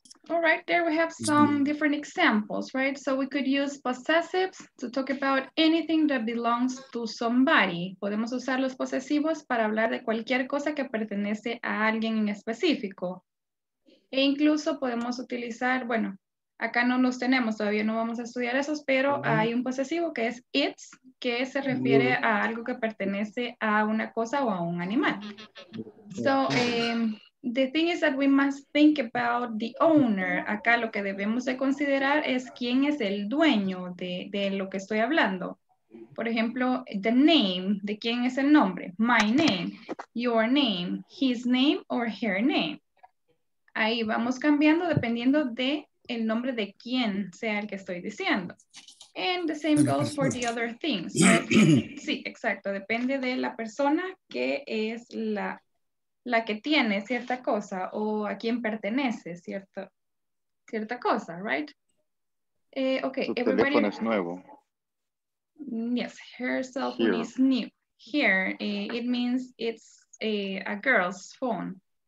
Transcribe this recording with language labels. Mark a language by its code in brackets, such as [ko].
[en] All right, there we have some different examples, right? So we could use possessives to talk about anything that belongs to somebody. [es] Podemos usar los posesivos para hablar de cualquier cosa que pertenece a alguien en específico. E incluso podemos utilizar, bueno, acá no los tenemos, todavía no vamos a estudiar esos, pero hay un posesivo que es its, que se refiere a algo que pertenece a una cosa o a un animal. [en] So, the thing is that we must think about the owner. [es] Acá lo que debemos de considerar es quién es el dueño de lo que estoy hablando. Por ejemplo, [en] the name, [es] ¿de quién es el nombre? [en] My name, your name, his name or her name. [es] Ahí vamos cambiando dependiendo de el nombre de quién sea el que estoy diciendo. [en] And the same goes for the other things. [es] Sí, exacto. Depende de la persona que es la que tiene cierta cosa o a quién pertenece cierta cosa, right? [en] Okay, [es] su teléfono everybody. Es nuevo. [en] Yes, her cell phone is new. Here, it means it's a girl's phone.